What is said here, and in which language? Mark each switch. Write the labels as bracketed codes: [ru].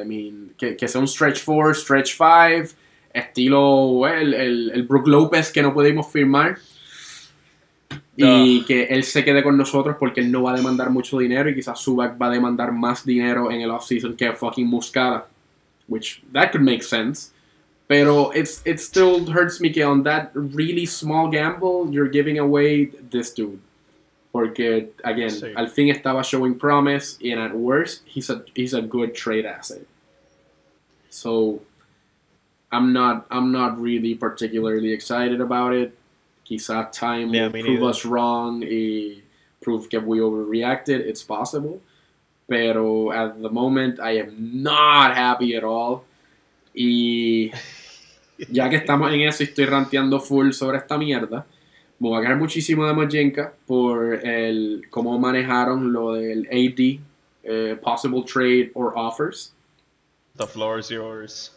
[es] I mean, que sea un stretch 4, stretch 5, estilo el Brook Lopez que no pudimos firmar. Y que él se quede con nosotros porque él no va a demandar mucho dinero y quizás Zubac va a demandar más dinero en el offseason que fucking Muscala. [en] Which, that could make sense. Pero it still hurts me que on that really small gamble, you're giving away this dude. Porque, again, sí. [es] Al fin estaba [en] showing promise, and at worst, he's a good trade asset. So, I'm not really particularly excited about it. Quizá time will prove us wrong y prove que we overreacted. It's possible. Pero, at the moment, I am not happy at all. [es] Y, ya que estamos en eso y estoy ranteando full sobre esta mierda, me voy a agradecer muchísimo de Majenka por cómo manejaron lo del AD, [en] possible trade or offers. The floor is yours.